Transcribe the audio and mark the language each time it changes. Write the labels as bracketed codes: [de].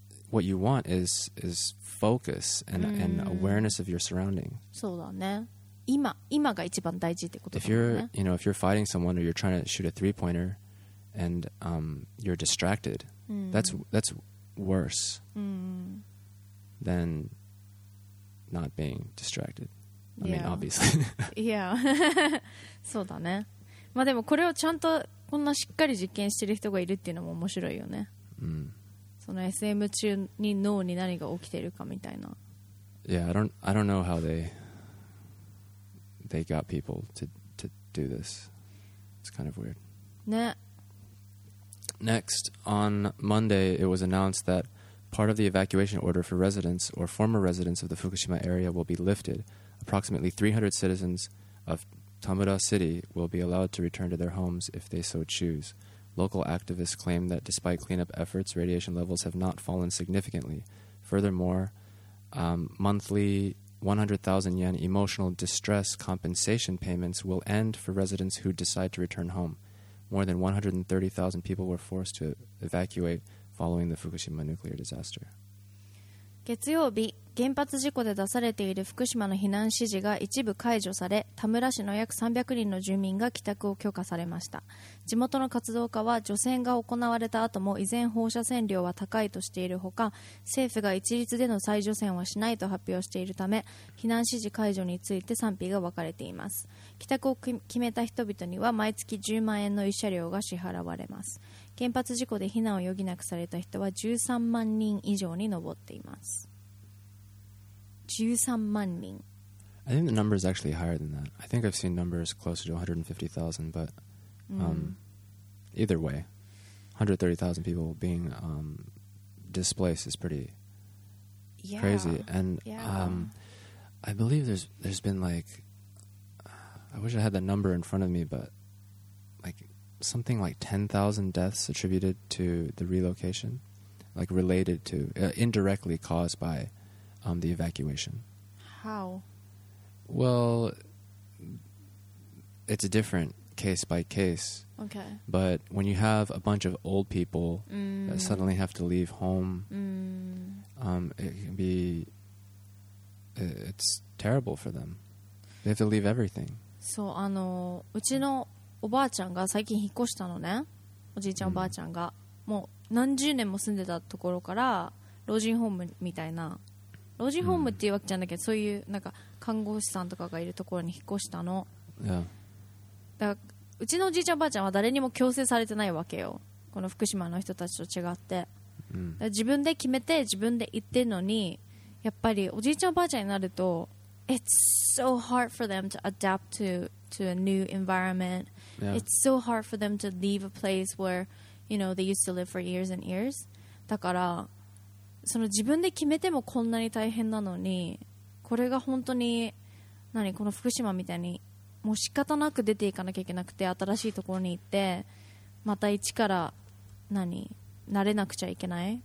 [en] What you want is focus and awareness of your surrounding. [ja] そうだね。今が一番大事ってことだもんね。 [en] If you're fighting someone or you're trying to shoot a three-pointer,And you're distracted. That's worse than not being distracted. I mean, obviously. [ja] yeah. そうだね。まあでもこれをちゃんとこんなしっかり実験してる人がいるっていうのも面白いよね。その SM 中に脳に何が起きてるかみたいな。 [en] Yeah, I don't know how they got people to do this. It's kind of weird. [ja] ね。 [en] Next, on Monday, it was announced that part of the evacuation order for residents or former residents of the Fukushima area will be lifted. Approximately 300 citizens of Tamura City will be allowed to return to their homes if they so choose, Local activists claim that despite cleanup efforts, radiation levels have not fallen significantly. Furthermore, monthly 100,000 yen emotional distress compensation payments will end for residents who decide to return home. More than 130,000 people were forced to evacuate following the Fukushima nuclear disaster. [ja] 月曜日、原発事故で出されている福島の避難指示が一部解除され、田村市の約300人の住民が帰宅を許可されました。地元の活動家は、除染が行われた後も依然放射線量は高いとしているほか、政府が一律での再除染はしないと発表しているため、避難指示解除について賛否が分かれています。帰宅を決めた人々には毎月10万円の慰謝料が支払われます。原発事故で避難を余儀なくされた人は13万人以上に上っています。 13万人。 [en] I think the number is actually higher than that. I think I've seen numbers closer to 150,000, but、either way, 130,000 people being、displaced is pretty crazy. And、I believe there's been like, I wish I had the number in front of me, but like,something like 10,000 deaths attributed to the relocation, like related to, indirectly caused by the evacuation. How? Well, it's a different case by case. Okay. But when you have a bunch of old people that suddenly have to leave home, it can be, it's terrible for them. They have to leave everything. [ja] So, うちのおばあちゃんが最近引っ越したのね。おじいちゃんおばあちゃんが、もう何十年も住んでたところから老人ホームみたいな、老人ホームっていうわけじゃなくて、そういうなんか看護師さんとかがいるところに引っ越したの。だからうちのおじいちゃんおばあちゃんは誰にも強制されてないわけよ、この福島の人たちと違って。だから自分で決めて自分で行ってるのに、やっぱりおじいちゃんおばあちゃんになると [en] It's so hard for them to adapt to a new environment. Yeah. It's so hard for them to leave a place where, you know, they used to live for years and years. [ja] だから、その自分で決めてもこんなに大変なのに、これが本当に、何、この福島みたいに、もう仕方なく出ていかなきゃいけなくて、新しいところに行って、また一から、何、慣れなくちゃいけない。